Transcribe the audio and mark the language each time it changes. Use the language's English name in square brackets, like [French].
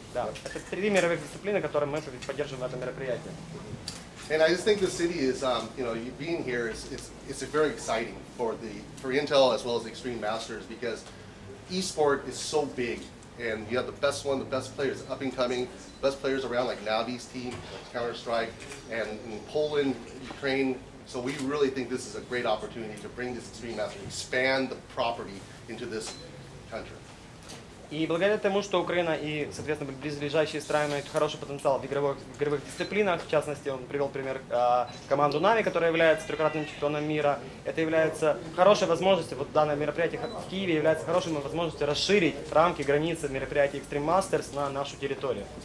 [Russian] Да, это три мировых дисциплины, которые мы поддерживаем в этом мероприятии. [English] And I just think the city is, you know, being here is very exciting for Intel as well as Extreme Masters because esport is so big and you have the best players up and coming, best players around like Navi's team, like Counter-Strike, and in Poland, Ukraine. So we really think this is a great opportunity to bring this Extreme Masters, expand the property into this country. [Russian] И благодаря тому, что Украина и, соответственно, близлежащие страны имеют хороший потенциал в игровых дисциплинах, в частности, он привел пример команду Na'Vi, которая является трехкратным чемпионом мира, это является хорошей возможностью, вот данное мероприятие в Киеве является хорошей возможностью расширить рамки, границы мероприятия Extreme Masters на нашу территорию.